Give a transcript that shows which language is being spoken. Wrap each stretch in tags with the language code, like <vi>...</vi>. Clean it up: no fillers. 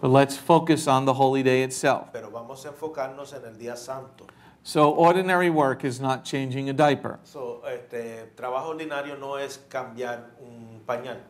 <en>But let's focus on the holy day itself.</en> <es>Pero vamos a enfocarnos en el día santo.</es> <en>So ordinary work is not changing a diaper.</en> <es>So, trabajo ordinario no es cambiar un pañal.</es>